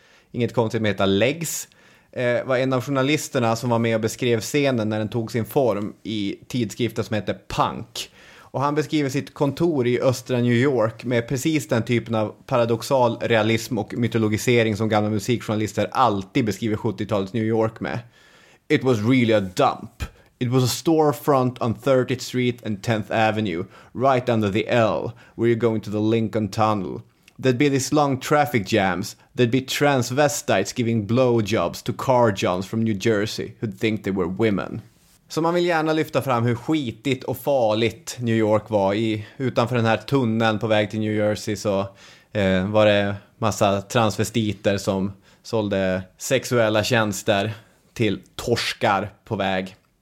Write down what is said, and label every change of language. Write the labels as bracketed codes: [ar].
[sv] Inget konstigt med att heta Legs. Var en av journalisterna som var med och beskrev scenen när den tog sin form i tidskriften som heter Punk. Och han beskriver sitt kontor i östra New York med precis den typen av paradoxal realism och mytologisering som gamla musikjournalister alltid beskriver 70-talets New York med. [en] It was really a dump. It was a storefront on 30th Street and 10th Avenue, right under the L, where you're going to the Lincoln Tunnel. There'd be these long traffic jams. There'd be transvestites giving blowjobs to car johns from New Jersey who'd think they were women. [sv] Så man vill gärna lyfta fram hur skitigt och farligt New York var i. Utanför den här tunneln på väg till New Jersey så var det massa transvestiter som sålde sexuella tjänster till torskar på väg.